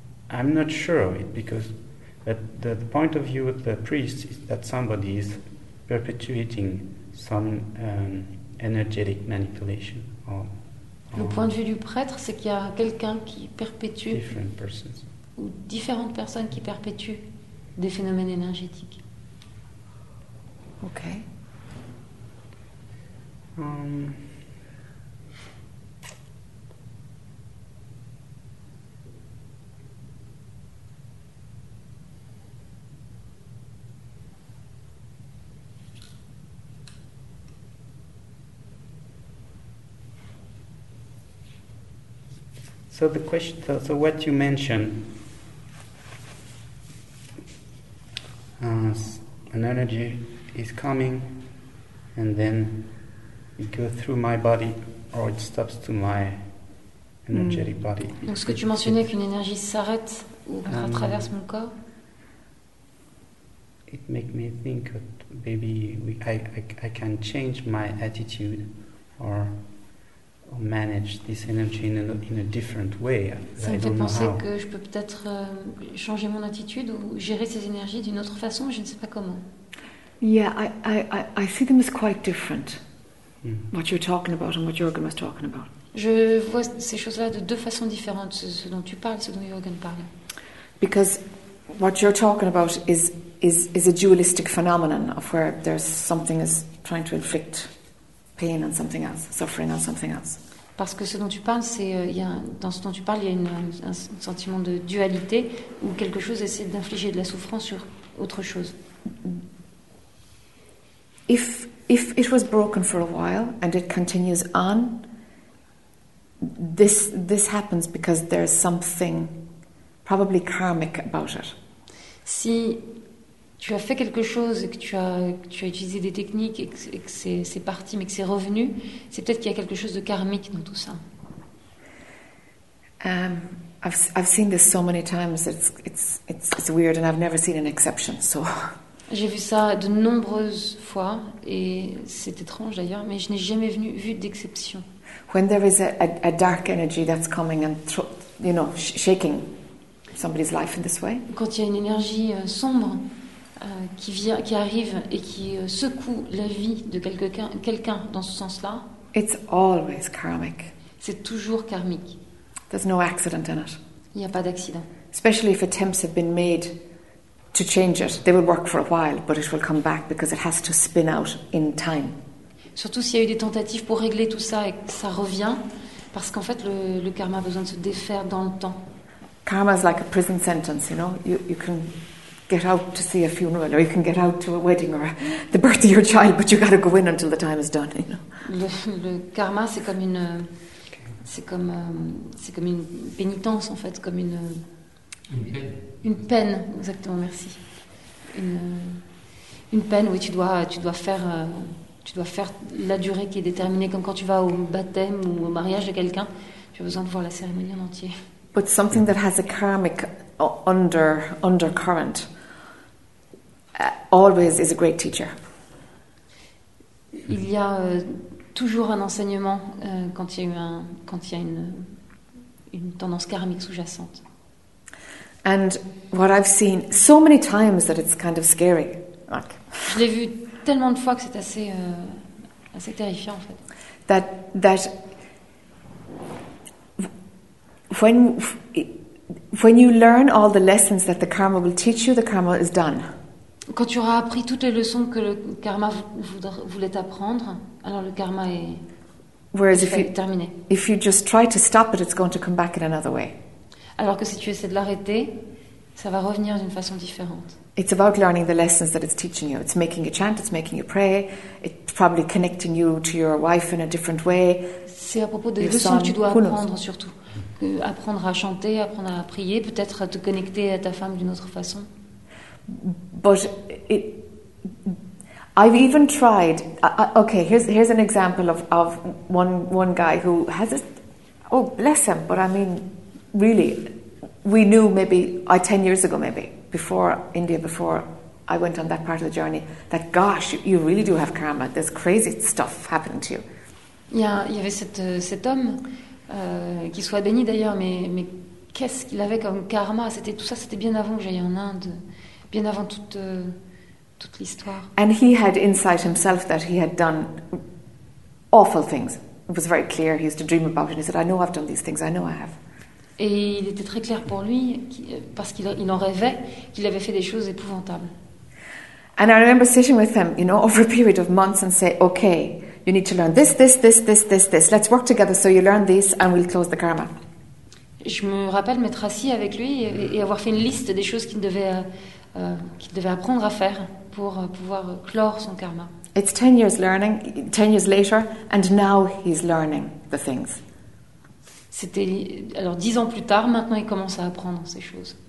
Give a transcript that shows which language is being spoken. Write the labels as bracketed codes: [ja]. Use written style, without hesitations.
[en] I'm not sure of it because, but the point of view of the priest is that somebody is perpetuating some energetic manipulation. [fr] Le point de vue du prêtre, c'est qu'il y a quelqu'un qui perpétue. [en] Different persons. Ou différentes personnes qui perpétuent des phénomènes énergétiques. Ok. So the question, so what you mentioned an energy is coming, and then it goes through my body, or it stops to my energetic body. [fr] Donc, ce que tu mentionnais, qu'une énergie s'arrête ou traverse mon corps. [en] It makes me think that maybe I can change my attitude, or manage this energy in a different way. [fr] Ça me fait penser que je peux peut-être changer mon attitude ou gérer ces énergies d'une autre façon. Je ne sais pas comment. [en] Yeah, I see them as quite different. Mm-hmm. What you're talking about and what Jorgen was talking about. [fr] Je vois ces choses-là de deux façons différentes, ce dont tu parles, ce dont Jorgen parle. [en] Because what you're talking about is a dualistic phenomenon of where there's something is trying to inflict pain on something else, suffering on something else. [fr] Parce que ce dont tu parles, c'est il y a un sentiment de dualité où quelque chose essaie d'infliger de la souffrance sur autre chose. [en] If it was broken for a while and it continues on, this happens because there's something probably karmic about it. [fr] Si tu as fait quelque chose et que tu as utilisé des techniques et que c'est parti mais que c'est revenu, c'est peut-être qu'il y a quelque chose de karmique dans tout ça. [en] I've seen this so many times, it's weird and I've never seen an exception. So [fr] j'ai vu ça de nombreuses fois et c'est étrange d'ailleurs, mais je n'ai jamais vu d'exception. [en] When there is a dark energy that's coming and shaking somebody's life in this way. [fr] Quand il y a une énergie sombre qui arrive et qui secoue la vie de quelqu'un dans ce sens-là. [en] It's always karmic. [fr] C'est toujours karmique. [en] There's no accident in it. [fr] Il n'y a pas d'accident. [en] Especially if attempts have been made to change it, they will work for a while, but it will come back because it has to spin out in time. [fr] Surtout s'il y a eu des tentatives pour régler tout ça et que ça revient, parce qu'en fait le karma a besoin de se défaire dans le temps. [en] Karma is like a prison sentence, you know. You can get out to see a funeral, or you can get out to a wedding, or the birth of your child, but you got to go in until the time is done, you know. [fr] Le karma, c'est comme une pénitence en fait, comme une peine, exactement. Merci. Une peine où tu dois faire la durée qui est déterminée, comme quand tu vas au baptême ou au mariage de quelqu'un. Tu as besoin de voir la cérémonie en entier. [en] But something that has a karmic undercurrent always is a great teacher. [fr] Il y a toujours un enseignement quand il y a une tendance karmique sous-jacente. [en] And what I've seen so many times that it's kind of scary. Like, [fr] je l'ai vu tellement de fois que c'est assez terrifiant en fait. [en] That when you learn all the lessons that the karma will teach you, the karma is done. [fr] Quand tu auras appris toutes les leçons que le karma voulait t'apprendre, alors le karma est terminé. [en] If you just try to stop it, it's going to come back in another way. [fr] Alors que si tu essaies de l'arrêter, ça va revenir d'une façon différente. [en] It's about learning the lessons that it's teaching you. It's making you chant, it's making you pray, it's probably connecting you to your wife in a different way. [fr] C'est à propos des leçons que tu dois apprendre surtout. Apprendre à chanter, apprendre à prier, peut-être à te connecter à ta femme d'une autre façon. [en] But I've even tried. Okay, here's an example of one guy who has it. Oh, bless him. But I mean, really, we knew maybe 10 years ago, maybe before India, before I went on that part of the journey. That gosh, you really do have karma. There's crazy stuff happening to you. [fr] Il y avait cet homme. Qu'il soit béni d'ailleurs, mais qu'est-ce qu'il avait comme karma? C'était tout ça, c'était bien avant que j'aille en Inde, bien avant toute l'histoire. [en] And he had inside himself that he had done awful things. It was very clear. He used to dream about it. And he said, "I know I've done these things. I know I have." [fr] Et il était très clair pour lui parce qu'il en rêvait qu'il avait fait des choses épouvantables. [en] And I remember sitting with him, you know, over a period of months, and say, "Okay. You need to learn this, this, this, this, this, this. Let's work together so you learn this and we'll close the karma." [fr] Je me rappelle m'être assis avec lui et avoir fait une liste des choses qu'il devait apprendre à faire pour pouvoir clore son karma. [en] It's 10 years learning, 10 years later, and now he's learning the things. [fr] C'était alors 10 ans plus tard, maintenant il commence à apprendre ces choses.